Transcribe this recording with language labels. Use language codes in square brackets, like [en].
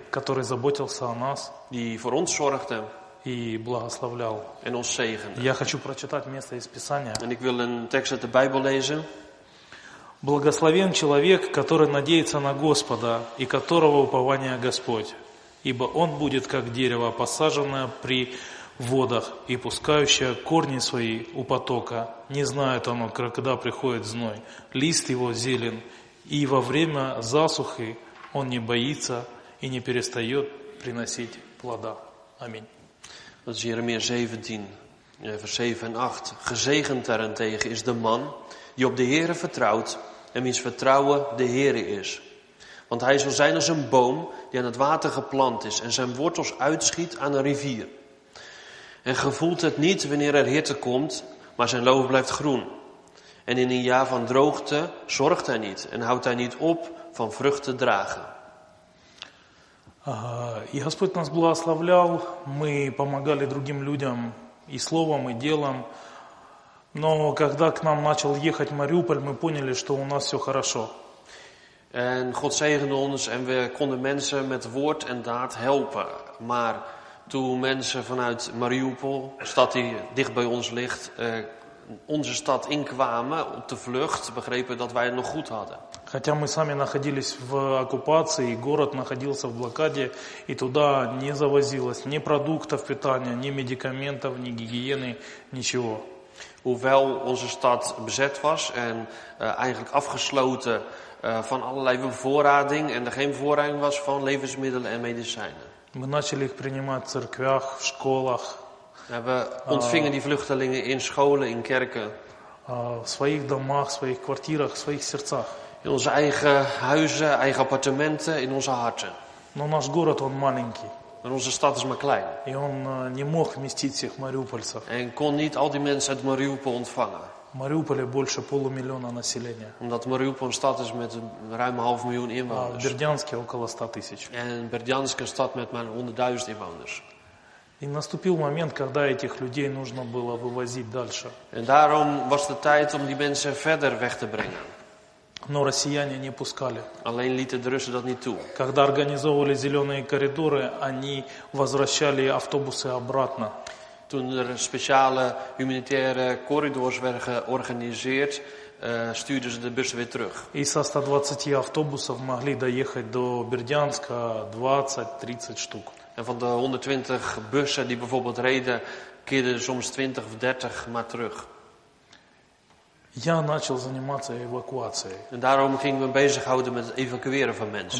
[ru] Который заботился о нас. [nl] Die voor ons zorgde. [ru] И благословлял. [nl] En ons zegende. [ru] Я хочу прочитать место из Писания. [nl] En ik wil een tekst uit de Bijbel lezen. [ru] Благословен человек, который надеется на Господа, и которого упование Господь. Ибо он будет как дерево, посаженное при водах, и пускающее корни свои у потока. Не знает оно, когда приходит зной. Лист его зелен, и во время засухи он не боится и не перестает приносить плода. Аминь. [nl] Dat is Jeremia 17, vers 7 en 8. Gezegend daarentegen is de man die op de Heere vertrouwt en wiens vertrouwen de Heere is. Want hij zal zijn als een boom die aan het water geplant is en zijn wortels uitschiet aan een rivier. En gevoelt het niet wanneer er hitte komt, maar zijn loof blijft groen. En in een jaar van droogte zorgt hij niet en houdt hij niet op van vrucht te dragen. [ru] И Господь нас благословлял, мы помогали другим людям и словом, и делом. Но когда к нам начал ехать Мариуполь, мы поняли, что у нас все хорошо. [nl] En God zegende ons en we konden mensen met woord en daad helpen. Maar toen mensen vanuit Mariupol, stad die dicht bij ons ligt, onze stad inkwamen op de vlucht, begrepen dat wij het nog goed hadden. [ru] Хотя мы сами находились в оккупации, город находился в блокаде, и туда не завозилось ни продуктов питания, ни медикаментов, ни гигиены, ничего. [nl] Hoewel onze stad bezet was en eigenlijk afgesloten van allerlei bevoorrading en er geen voorrading was van levensmiddelen en medicijnen. [ru] Мы начали их принимать в церквях, в школах. [nl] We ontvingen die vluchtelingen in scholen, in kerken. [ru] В своих домах, в своих квартирах, в своих сердцах. [nl] In onze eigen huizen, eigen appartementen, in onze harten. [ru] Но наш город, он маленький. [nl] Maar onze stad is maar klein. [ru] И он не мог вместить всех мариупольцев. [nl] En kon niet al die mensen uit Mariupol ontvangen. [ru] Мариуполе больше полумиллиона населения. [nl] Omdat Mariupol een stad is met ruim 500.000 inwoners. [ru] А Бердянске около 100.000. [nl] En Бердянск een stad met maar 100.000 inwoners. [ru] И наступил момент, когда этих людей нужно было вывозить дальше. [nl] En daarom was de tijd om die mensen verder weg te brengen. [ru] Но россияне не пускали. [nl] Alleen lieten de Russen dat niet toe. [ru] Когда организовывали зеленые коридоры, они возвращали автобусы обратно. [nl] Toen er speciale humanitaire corridors werden georganiseerd, stuurden ze de bussen weer terug. En van 120 autobussen mogen we naar Berdjansk 20-30 stuk. En van de 120 bussen die bijvoorbeeld reden, keerden soms 20 of 30 maar terug. [ru] Я начал заниматься эвакуацией. [nl] Daarom ging me bezighouden met evacueren van mensen.